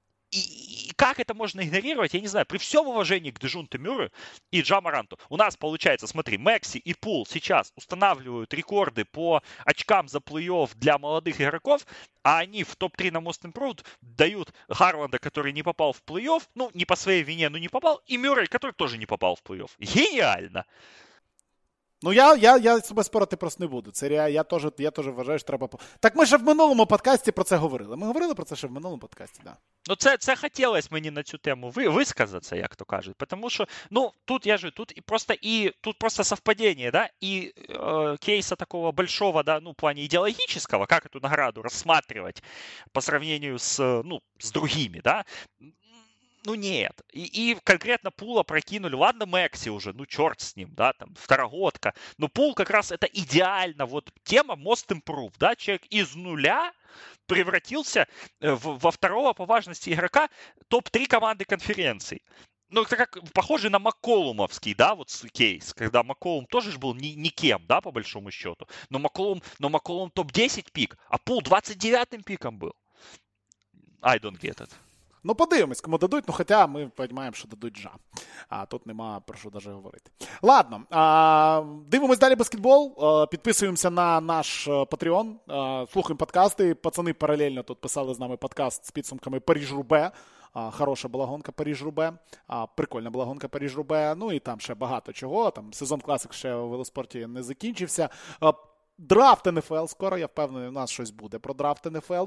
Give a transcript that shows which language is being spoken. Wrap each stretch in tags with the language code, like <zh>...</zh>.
<ru>И как это можно игнорировать, я не знаю. При всем уважении к Дежунте Мюрре и Джамаранту, у нас получается, смотри, Мэкси и Пул сейчас устанавливают рекорды по очкам за плей-офф для молодых игроков, а они в топ-3 на Most Improved дают Гарланда, который не попал в плей-офф, ну, не по своей вине, но не попал, и Мюррей, который тоже не попал в плей-офф. Гениально!</ru> <uk>Ну, я себе спорити просто не буду. Це я теж вважаю, що треба... Так ми ж в минулому подкасті про це говорили. Ми говорили про це ще в минулому подкасті, да. Ну, це хотілося мені на цю тему висказатися, як то кажуть. Тому що, ну, тут я ж, тут просто совпадіння, да? І кейса такого большого, да, ну, в плані ідеологічного, як цю награду розсматривати по сравнению з, ну, з другими, да?</uk> <ru>Ну, нет. И конкретно Пула прокинули. Ладно, Мэкси уже, ну, черт с ним, да, там, второгодка. Но Пул как раз это идеально. Вот тема Most Improved, да, человек из нуля превратился во второго по важности игрока топ-3 команды конференции. Ну, это как похоже на Макколумовский, да, вот кейс, когда Макколум тоже был никем, да, по большому счету. Но Макколум топ-10 пик, а Пул 29-м пиком был.</ru> <en>I don't get it.</en> <uk>Ну, подивимось, кому дадуть, ну, хоча ми розуміємо, що дадуть Джа. А тут нема про що даже говорити. Ладно, дивимось далі баскетбол, підписуємося на наш Patreon, слухаємо подкасти. Пацани паралельно тут писали з нами подкаст з підсумками «Париж-Рубе». Хороша була гонка «Париж-Рубе», прикольна була гонка «Париж-Рубе», ну, і там ще багато чого, там сезон класик ще в велоспорті не закінчився. Драфт НФЛ скоро, я впевнений, у нас щось буде про драфт НФЛ.</uk>